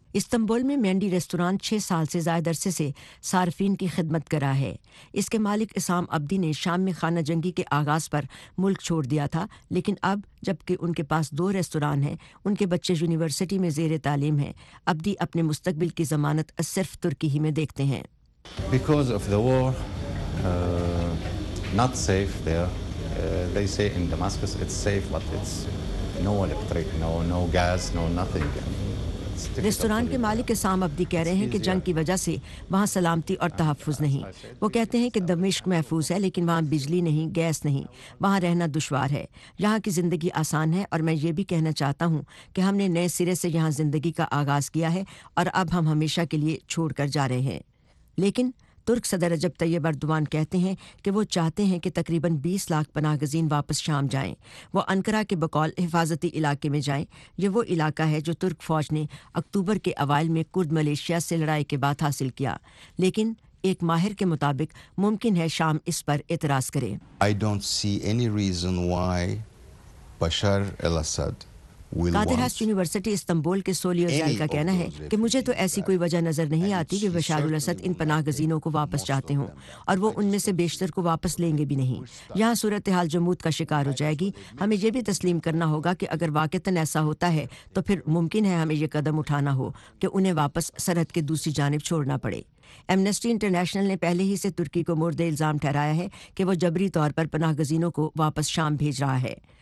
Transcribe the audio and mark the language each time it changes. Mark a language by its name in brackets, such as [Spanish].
[Urdu] Istanbul میں مینڈی restaurant 6 سال سے زائد عرصے سے صارفین کی خدمت کرا ہے۔ اس کے مالک اسام عبدی نے شام میں خانہ جنگی کے آغاز پر ملک چھوڑ دیا تھا، لیکن اب جبکہ ان کے پاس 2 ریستوران ہیں، ان کے بچے یونیورسٹی میں زیر تعلیم ہیں، عبدی اپنے مستقبل کی ضمانت صرف ترکی ہی میں دیکھتے ہیں۔ [English] Because of the war, not safe there. They say in Damascus it's safe, but it's no electric, no gas, no nothing. [Urdu] Restaurant کے مالک اسام عبدی کہہ رہے ہیں کہ جنگ کی وجہ سے وہاں سلامتی اور تحفظ نہیں۔ وہ کہتے ہیں کہ دمشق محفوظ ہے لیکن وہاں بجلی نہیں، گیس نہیں، وہاں رہنا دشوار ہے۔ یہاں کی زندگی آسان ہے اور میں یہ بھی کہنا چاہتا ہوں کہ ہم نے نئے سرے سے یہاں زندگی کا آغاز کیا ہے اور اب ہم ہمیشہ کے لیے چھوڑ کر جا رہے ہیں۔ لیکن ترک صدر رجب طیب اردوان کہتے ہیں کہ وہ چاہتے ہیں کہ تقریباً 20 لاکھ پناہ گزین واپس شام جائیں۔ وہ انکرا کے بقول حفاظتی علاقے میں جائیں۔ یہ وہ علاقہ ہے جو ترک فوج نے اکتوبر کے اوائل میں کرد ملیشیا سے لڑائی کے بعد حاصل کیا، لیکن ایک ماہر کے مطابق ممکن ہے شام اس پر اعتراض کرے۔ [English] I don't see any reason why Bashar al-Assad [Urdu] قادرہاس university Istanbul کے سولیو جیل کا کہنا ہے کہ مجھے تو ایسی کوئی وجہ نظر نہیں آتی کہ بشار الاسد ان پناہ گزینوں کو واپس چاہتے ہوں، اور وہ ان میں سے بیشتر کو واپس لیں گے بھی نہیں۔ یہاں صورتحال جمود کا شکار ہو جائے گی۔ ہمیں یہ بھی تسلیم کرنا ہوگا کہ اگر واقعتاً ایسا ہوتا ہے تو پھر ممکن ہے ہمیں یہ قدم اٹھانا ہو کہ انہیں واپس سرحد کے دوسری جانب چھوڑنا پڑے۔ ایمنسٹی انٹرنیشنل نے پہلے ہی سے ترکی کو مردہ الزام ٹھہرایا ہے کہ وہ جبری طور پر پناہ گزینوں کو واپس شام بھیج رہا ہے،